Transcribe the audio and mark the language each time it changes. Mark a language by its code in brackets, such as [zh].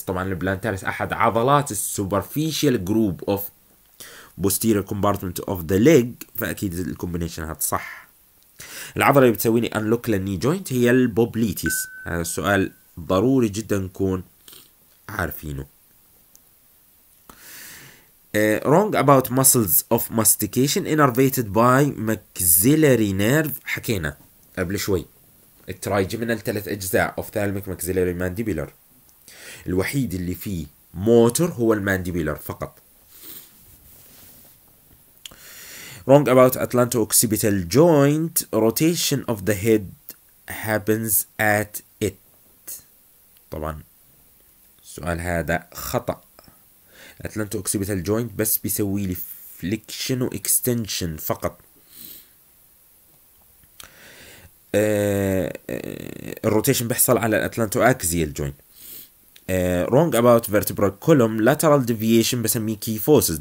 [ar] طبعا البلانتارس احد عضلات السوبرفيشال جروب اوف [en] posterior compartment of the leg، [ar] فاكيد الكومبينيشن هاد صح. العضله اللي بتسوي لي انلوك للني جوينت هي البوبليتيس. هذا السؤال ضروري جدا نكون عارفينه. [en] wrong about muscles of mastication innervated by maxillary nerve. [ar] حكينا قبل شوي الترايجمينال ثلاث أجزاء of thalamic maxillary mandibular. الوحيد اللي فيه موتور هو المانديبولر فقط. [en] wrong about atlanto-occipital joint rotation of the head happens at it. [ar] طبعا السؤال هذا خطأ. اتلانتو اوكسيبيتال جوينت بس بيسوي لي فليكشن واكستنشن فقط. الروتيشن بيحصل على الاتلانتو اكزيال جوينت. [en] Wrong about vertebral column lateral deviation بسميه kyphosis.